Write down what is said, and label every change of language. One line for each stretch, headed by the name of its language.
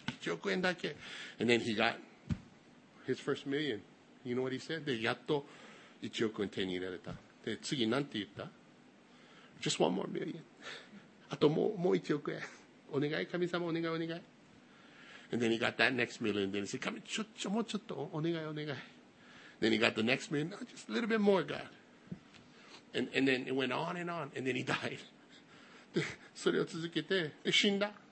Japanese: 1億円だけ。
English: And then he got his first million. You know what he said?
Japanese: で、やっと1億円手に入れられた。で、次なんて言った？
English: Just one more million.
Japanese: あともう1億円。お願い、神様、お願い、お願い。
English: And then he got that next million. Then he said,
Japanese: 神、もうちょっと、お願い、お願い。
English: Then he got the next million. No, just a little bit more, God. And then it went on and on. And then he died.
Japanese: で、それを続けて、死んだ。